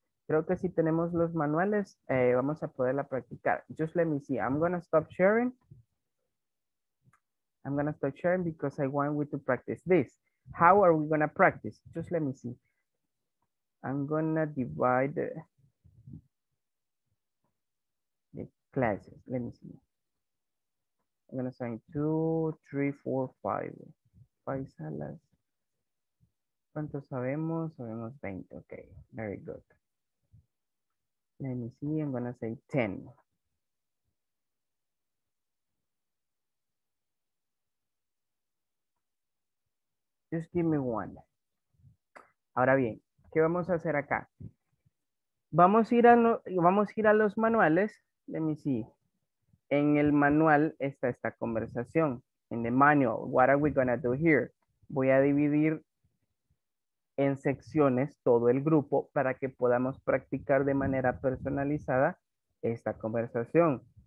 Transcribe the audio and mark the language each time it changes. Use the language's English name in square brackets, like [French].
[Spanish] Creo que si tenemos los manuales, vamos a poderla practicar. [English] Just let me see. I'm going to stop sharing. I'm going to stop sharing because I want we to practice this. How are we going to practice? Just let me see. I'm going to divide the classes. Let me see. I'm going to assign 2, 3, 4, 5. 5 salas. [Spanish] ¿Cuántos sabemos? Sabemos 20. [English] Okay, very good. Let me see. I'm going to say 10. Just give me one. [Spanish] Ahora bien, ¿qué vamos a hacer acá? Vamos a ir a los manuales. [English] Let me see. [Spanish] En el manual está esta conversación. [English] In the manual, what are we going to do here? [Spanish] Voy a dividir en secciones todo el grupo para que podamos practicar de manera personalizada esta conversación.